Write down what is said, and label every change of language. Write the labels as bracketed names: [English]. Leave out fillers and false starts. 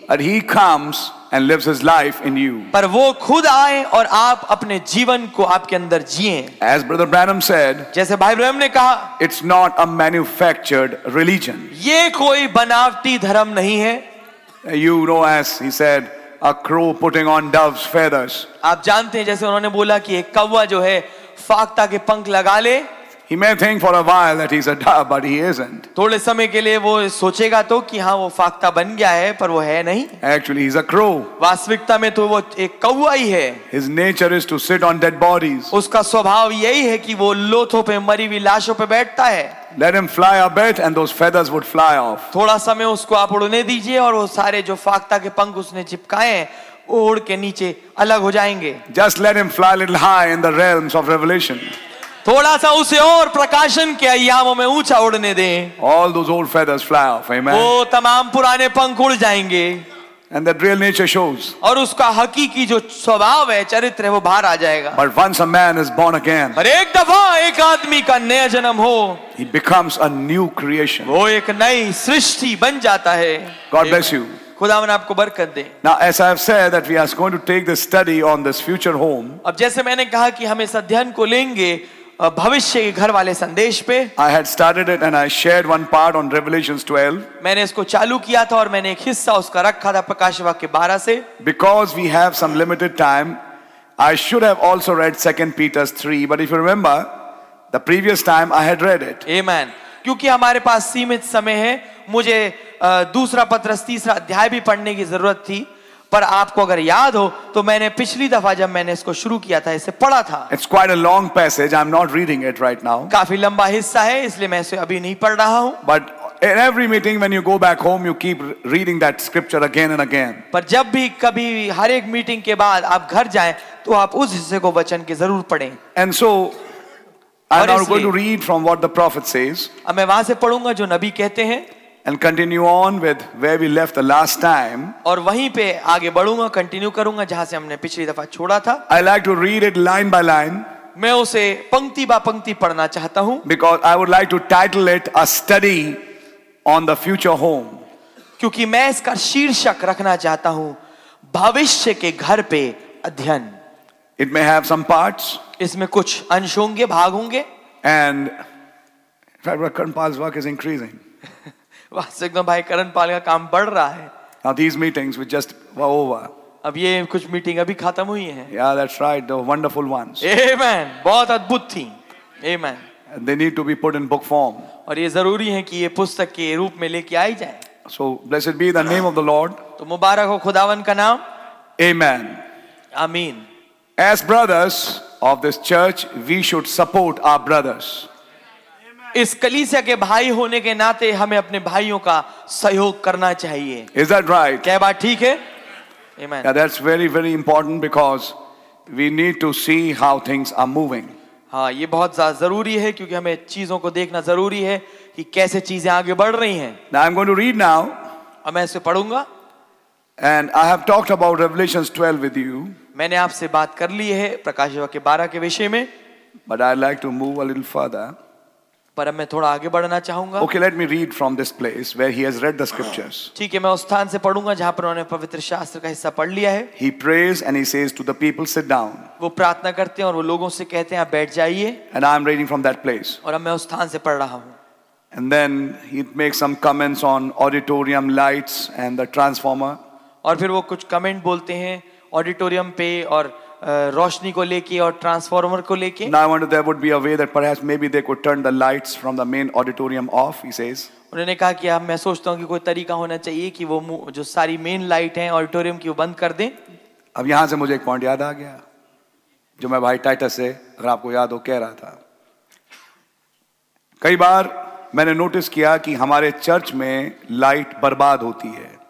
[English] And he comes And lives his life in you. [Hindi] पर वो खुद आए और आप अपने जीवन को आपके अंदर जिएं। [English] As Brother Branham said, [Hindi] जैसे भाई ब्रैनम ने कहा, [English] it's not a manufactured religion. [Hindi] ये कोई बनावटी धर्म नहीं है। [English] You know, as he said, a crow putting on dove's feathers. [Hindi] आप जानते हैं जैसे उन्होंने बोला कि एक कौवा जो है फाकता के पंख लगा ले। [English] He may think for a while that he's a dove, but he isn't. [Hindi] थोड़े समय के लिए वो सोचेगा तो कि हाँ वो फाकता बन गया है पर वो है नहीं. [English] Actually, he's a crow. [Hindi] वास्तविकता में तो वो एक कौवा ही है. [English] His nature is to sit on dead bodies. [Hindi] उसका स्वभाव यही है कि वो लोथों पे मरी हुई लाशों पे बैठता है. [English] Let him fly a bit, and those feathers would fly off. [Hindi] थोड़ा समय उसको आप उड़ने दीजिए और वो सारे जो फाकता के पंख उसने चिपकाए हैं वो उड़ के नीचे अलग हो जाएंगे. [English] Just let him fly a little high in the realms of revelation. [Hindi] थोड़ा सा उसे और प्रकाशन के अय्यामों में ऊंचा उड़ने दें। [English] All those old feathers fly off, amen. [Hindi] वो तमाम पुराने पंख उड़ जाएंगे। [English] And that real nature shows. [Hindi] और उसका हकीकी जो स्वभाव है, चरित्र है, वो बाहर आ जाएगा। [English] But once a man is born again, [Hindi] और एक दफा एक आदमी का नया जन्म हो, [English] he becomes a new creation. [Hindi] वो एक नई सृष्टि बन जाता है। [English] God bless you. [Hindi] खुदावन आपको बरकत दे। [English] Now, as I have said that we are going to take this study on this future home. [Hindi] अब जैसे मैंने कहा कि हम इस अध्ययन को लेंगे भविष्य के घर वाले संदेश पे [English] I had started it and I shared one part on Revelations 12 [Hindi] मैंने इसको चालू किया था और मैंने एक हिस्सा उसका रखा था प्रकाशवाक्य 12 से [English] Because we have some limited time I should have also read 2 Peter 3 but if you remember the previous time I had read it [Hindi] Amen क्योंकि हमारे पास सीमित समय है मुझे दूसरा पत्रस तीसरा अध्याय भी पढ़ने की जरूरत थी पर आपको अगर याद हो तो मैंने पिछली दफा जब मैंने इसको शुरू किया था इसे पढ़ा था [English] It's quite a long passage. I'm not reading it right now. [Hindi] काफी लंबा हिस्सा है इसलिए मैं इसे अभी नहीं पढ़ रहा हूँ [English] But in every meeting when you go back home you keep reading that scripture again and again [Hindi] पर जब भी कभी हर एक मीटिंग के बाद आप घर जाएं तो आप उस हिस्से को वचन के जरूर पढ़ें [English] And so I'm not going to read from what the prophet says [Hindi] अब मैं वहां से पढ़ूंगा जो नबी कहते हैं [English] And continue on with where we left the last time. [Hindi] और वहीं पे आगे बढ़ूंगा, continue करूंगा जहां से हमने पिछली दफा छोड़ा था। [English] I like to read it line by line. [Hindi] मैं उसे पंक्ति बा पंक्ति पढ़ना चाहता हूं। [English] Because I would like to title it a study on the future home. [Hindi] क्योंकि मैं इसका शीर्षक रखना चाहता हूं, भविष्य के घर पे अध्ययन। [English] It may have some parts. [Hindi] इसमें कुछ अंश होंगे भाग होंगे [English] and Karan Pal work is increasing [Hindi] वास्तविक में भाई करण पाल का काम बढ़ रहा है [English] Now these meetings were just over. [Hindi] अब ये कुछ मीटिंग अभी खत्म हुई हैं. [English] Yeah, that's right. The wonderful ones. [Hindi] Amen. बहुत अद्भुत थीं. Amen. [English] And they need to be put in book form. [Hindi] और ये जरूरी है कि ये पुस्तक के रूप में लेके आई जाए. [English] So blessed be the name of the Lord. [Hindi] तो मुबारक हो खुदावन का नाम. [English] Amen. Amen. As brothers of this church, we should support our brothers. [Hindi] इस कलीसिया के भाई होने के नाते हमें अपने भाइयों का सहयोग करना चाहिए [English] Is that right? [Hindi] क्या बात ठीक है Amen. [English] Yeah, that's very, very important because we need to see how things are moving. [Hindi] हाँ, ये बहुत जरूरी है क्योंकि हमें चीजों को देखना जरूरी है कि कैसे चीजें आगे बढ़ रही हैं [English] Now I'm going to read now. [Hindi] अब मैं इसे पढ़ूंगा [English] And I have talked about Revelations 12 with you. [Hindi] मैंने आपसे बात कर ली है प्रकाशवाक्य 12 के विषय में [English] But I'd like to move a little further. [Hindi] पर मैं थोड़ा आगे बढ़ना चाहूंगा [English] okay let me read from this place where he has read the scriptures [Hindi] ठीक है मैं उस स्थान से पढूंगा जहां पर उन्होंने पवित्र शास्त्र का हिस्सा पढ़ लिया है [English] he praise and he says to the people sit down [Hindi] वो प्रार्थना करते हैं और वो लोगों से कहते हैं आप बैठ जाइए [English] and I am reading from that place [Hindi] और अब मैं उस स्थान से पढ़ रहा हूं [English] and then he makes some comments on auditorium lights and the transformer [Hindi] और फिर वो कुछ कमेंट बोलते हैं ऑडिटोरियम पे और रोशनी को लेके और ट्रांसफार्मर को लेके [English] Now I wonder there would be a way that perhaps maybe they could turn the lights from the main auditorium off he says [Hindi] उन्होंने कहा कि अब मैं सोचता हूं कि कोई तरीका होना चाहिए कि वो जो सारी मेन लाइट है ऑडिटोरियम की वो बंद कर दें अब यहां से मुझे एक पॉइंट याद आ गया जो मैं भाई टाइटस से अगर आपको याद हो कह रहा था कई बार मैंने नोटिस किया कि हमारे चर्च में लाइट बर्बाद होती है